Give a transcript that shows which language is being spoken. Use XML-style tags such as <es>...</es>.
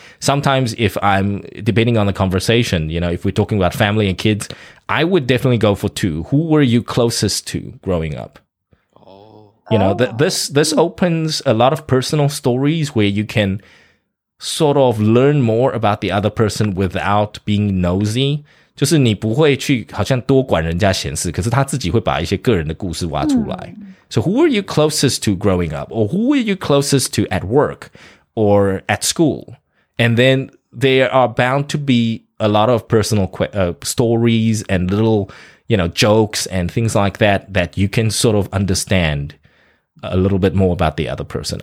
<en>Sometimes if I'm, depending on the conversation, you know, if we're talking about family and kids, I would definitely go for 2. Who were you closest to growing up? You know, this opens a lot of personal stories where you can... sort of learn more about the other person without being nosy.</en> <zh>就是你不会去好像多管人家闲事，可是他自己会把一些个人的故事挖出来。</zh> <en>So who were you closest to growing up? Or who were you closest to at work or at school? And then there are bound to be a lot of personal stories and little, you know, jokes and things like that that you can sort of understand a little bit more about the other person.</en>